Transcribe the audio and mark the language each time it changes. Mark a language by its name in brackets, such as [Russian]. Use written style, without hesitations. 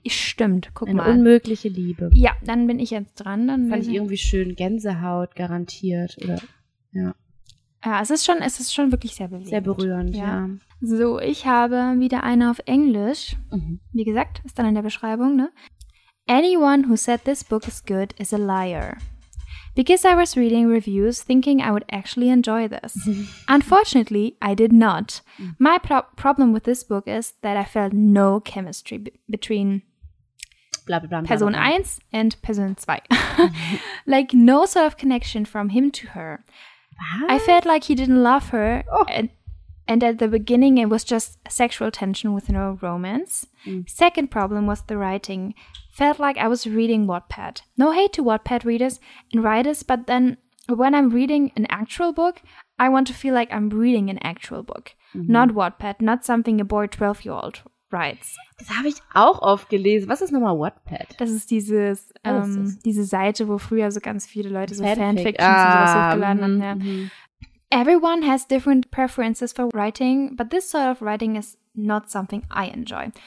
[German] Stimmt, guck mal. Eine unmögliche Liebe. Ja, dann bin ich jetzt dran. Dann fand ich irgendwie schön, Gänsehaut garantiert. Oder, ja. Ja, es ist schon wirklich sehr bewegend. Sehr berührend, ja. So, ich habe wieder eine auf Englisch. Mhm. Wie gesagt, ist dann in der Beschreibung, ne? [English] Anyone who said this book is good is a liar. Because I was reading reviews thinking I would actually enjoy this. Unfortunately, I did not. My problem with this book is that I felt no chemistry between Person 1 and Person 2. Like no sort of connection from him to her. What? I felt like he didn't love her and at the beginning it was just sexual tension with no romance. Mm. Second problem was the writing. Felt like I was reading Wattpad. No hate to Wattpad readers and writers, but then when I'm reading an actual book, I want to feel like I'm reading an actual book. Mm-hmm. Not Wattpad, not something a boy 12-year-old writes. [German] Das habe ich auch oft gelesen. Was ist nochmal Wattpad? Das ist diese Seite, wo früher so ganz viele Leute so Fanfictions und sowas hochgeladen haben. Ja. [English] Everyone has different preferences for writing, but this sort of writing is not something I enjoy.